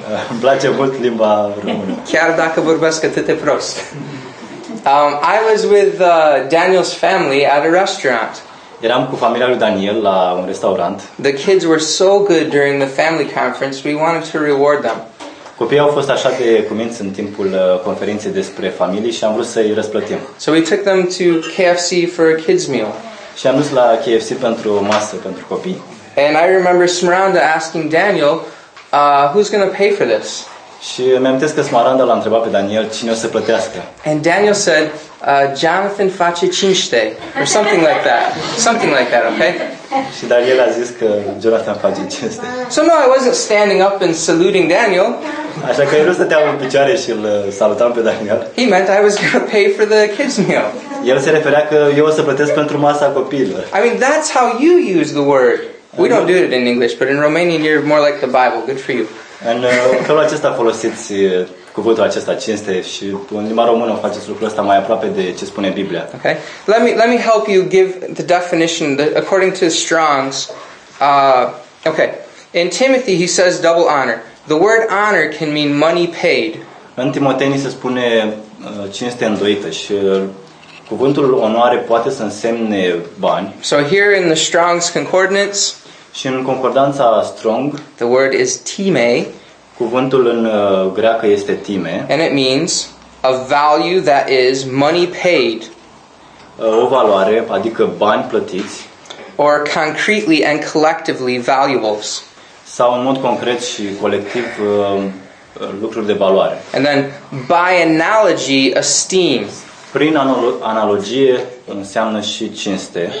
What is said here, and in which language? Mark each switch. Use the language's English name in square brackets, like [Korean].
[Romanian] Îmi place mult limba română. Chiar dacă vorbesc atât de prost. [English] I was with Daniel's family at a restaurant. [Romanian] Eram cu familia lui Daniel la un restaurant. [English] The kids were so good during the family conference, we wanted to reward them. [Romanian] Copiii au fost așa de cuminți în timpul conferinței despre familie și am vrut să îi răsplătim. [English] So we took them to KFC for a kids meal. [Romanian] Și am dus la KFC pentru o masă pentru copii. [English] And I remember Smaranda asking Daniel, who's going to pay for this? [Romanian] Și mi-am amintesc că Smaranda l-a întrebat pe Daniel cine o să plătească. [English] And Daniel said, Jonathan [Romanian] face cinste [English] or something like that. Something like that, okay? [Romanian] Și Daniel a zis că Jonathan face cinste. [English] So no, I wasn't standing up and saluting Daniel. [Romanian] Așa că eu nu stăteam în picioare și îl salutam pe Daniel. [English] He meant I was going to pay for the kids meal. [Romanian] El se referea că eu o să plătesc pentru masa copiilor. [English] I mean, that's how you use the word. We don't do it in English, but in Romanian you're more like the Bible. Good for you. [Romanian] În felul acesta folosiți cuvântul acesta cinste și în limba română faceți lucrul ăsta mai aproape de ce spune Biblia. [English] Okay. Let me help you give the definition according to Strong's. Okay. In Timothy he says double honor. The word honor can mean money paid. [Romanian] În Timotei se spune cinste îndoită și cuvântul onoare poate să însemne bani. [English] So here in the Strong's concordance, [Romanian] și în concordanța Strong, [English] the word is time. [Romanian] Cuvântul în greacă este time. [English] And it means a value that is money paid. [Romanian] O valoare, adică bani plătiți. [English] Or concretely and collectively valuables. [Romanian] Sau în mod concret și colectiv lucruri de valoare. [English] And then by analogy, esteem. [Romanian] Prin analogie înseamnă și cinste,